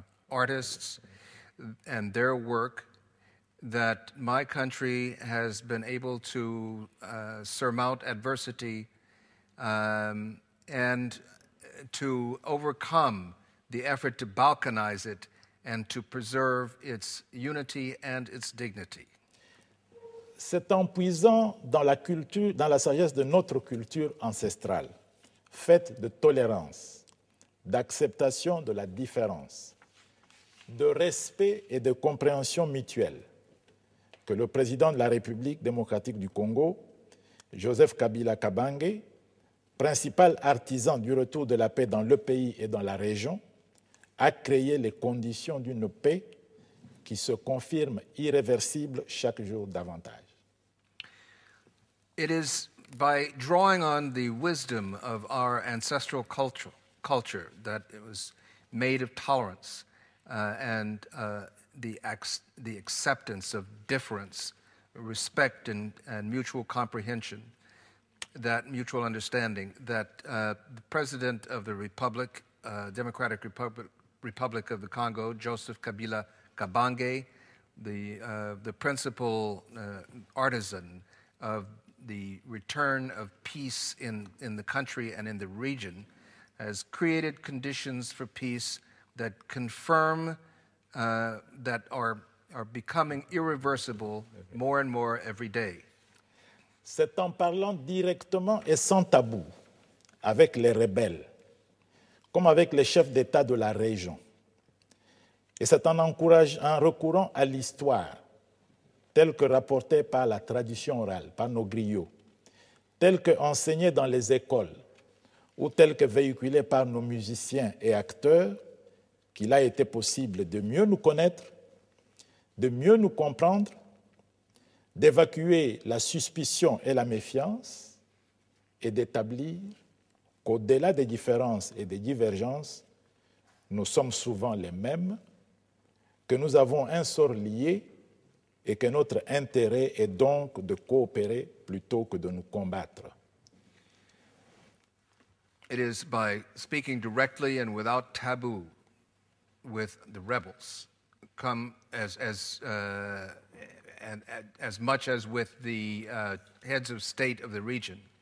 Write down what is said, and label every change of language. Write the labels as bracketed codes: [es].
[en] artists and their work, that my country has been able to surmount adversity and to overcome the effort to balkanize it and to preserve its unity and its dignity. [fr] C'est en puisant dans la culture, dans la sagesse de notre culture ancestrale, faite de tolérance, d'acceptation de la différence, de respect et de compréhension mutuelle, que le président de la République démocratique du Congo Joseph Kabila Kabange, principal artisan du retour de la paix dans le pays et dans la région, a créé les conditions d'une paix qui se confirme irréversible chaque jour davantage. [en] It is by drawing on the wisdom of our ancestral culture that it was made of tolerance and the acceptance of difference, respect and mutual comprehension, that mutual understanding, that the President of the Republic, Democratic Republic of the Congo, Joseph Kabila Kabange, the principal artisan of the return of peace in the country and in the region, has created conditions for peace that confirm that are becoming irreversible more and more every day. [fr] C'est en parlant directement et sans tabou avec les rebelles, comme avec les chefs d'État de la région. Et c'est en recourant à l'histoire, telle que rapportée par la tradition orale, par nos griots, telle que enseignée dans les écoles, ou telle que véhiculée par nos musiciens et acteurs, qu'il a été possible de mieux nous connaître, de mieux nous comprendre, d'évacuer la suspicion et la méfiance et d'établir qu'au-delà des différences et des divergences, nous sommes souvent les mêmes, que nous avons un sort lié et que notre intérêt est donc de coopérer plutôt que de nous combattre. [en] It is by speaking directly and without taboo with the rebels, come as much as with the heads of state of the region,